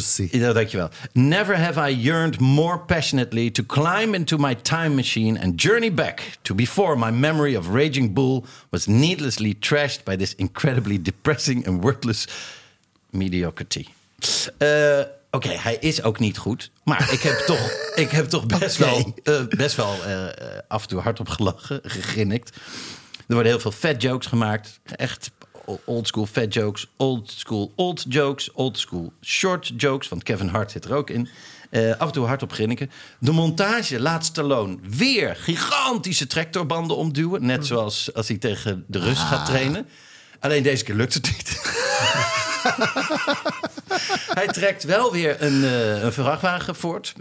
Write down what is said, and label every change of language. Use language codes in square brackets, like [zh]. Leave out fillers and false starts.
[nl] Ja, dankjewel. [en] Never have I yearned more passionately to climb into my time machine and journey back to before my memory of Raging Bull was needlessly trashed by this incredibly depressing and worthless mediocrity. [nl] Oké, hij is ook niet goed, maar ik heb toch best wel af en toe hardop gelachen, gegrinnikt. Er worden heel veel fat jokes gemaakt, echt. [en] Old school fat jokes, old school old jokes, old school short jokes. [nl] Want Kevin Hart zit er ook in. Af en toe hard op grinniken. De montage laat Stallone weer gigantische tractorbanden omduwen. Net zoals als hij tegen de Rus gaat trainen. Alleen deze keer lukt het niet. Hij trekt wel weer een vrachtwagen voort.